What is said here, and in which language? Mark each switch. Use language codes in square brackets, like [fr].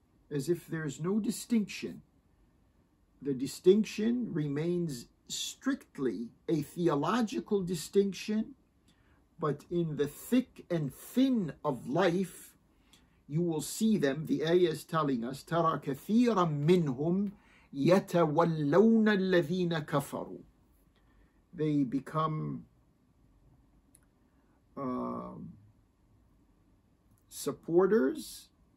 [en] As if there's no distinction. The distinction remains strictly a theological distinction, but in the thick and thin of life, you will see them. The ayah is telling us, [ar] تَرَى كَثِيرًا مِّنْهُمْ يَتَوَلَّوْنَ الَّذِينَ كَفَرُوا. [en] They become supporters.